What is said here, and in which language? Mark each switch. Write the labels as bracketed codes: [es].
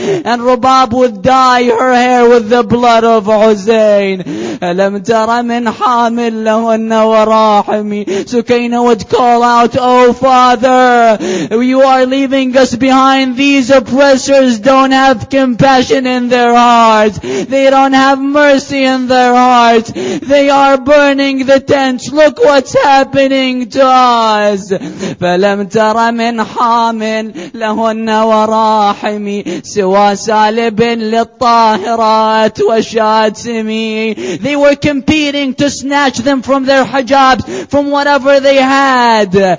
[en] And Rubab would dye her hair with the blood of Hussein. [ar] ألم تر من حامل لهن وراحمي. [en] Sukaina would call out, oh father, you are leaving us behind. These oppressors don't have compassion in their hearts. They don't have mercy in their hearts. They are burning the tents. Look what's happening to us. [ar] فلم تر من حامل لهن وراحمي سوى سالب للطاهرات وشاتمي. [en] They were competing to snatch them from their hijabs, from whatever they had.